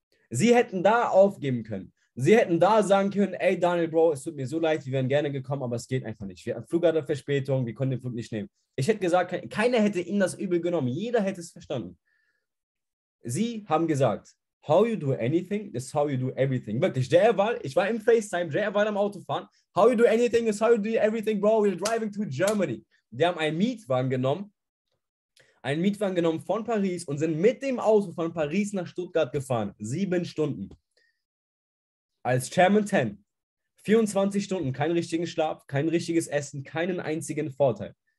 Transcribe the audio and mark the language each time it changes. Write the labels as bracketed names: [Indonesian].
[German] Sie hätten da aufgeben können. Sie hätten da sagen können, ey Daniel Bro, es tut mir so leid, wir wären gerne gekommen, aber es geht einfach nicht. Wir haben Flug hatte Verspätung, wir konnten den Flug nicht nehmen. Ich hätte gesagt, keiner hätte ihnen das übel genommen, jeder hätte es verstanden. Sie haben gesagt, [English] how you do anything is how you do everything. [German] Wirklich, Jay Aval, ich war im FaceTime, Jay Aval am Autofahren. [English] How you do anything is how you do everything, bro, we're driving to Germany. [German] Die haben einen Mietwagen genommen. Einen Mietwagen genommen von Paris und sind mit dem Auto von Paris nach Stuttgart gefahren. 7 Stunden. Als Chairman 10. 24 Stunden, keinen richtigen Schlaf, kein richtiges Essen, keinen einzigen Vorteil.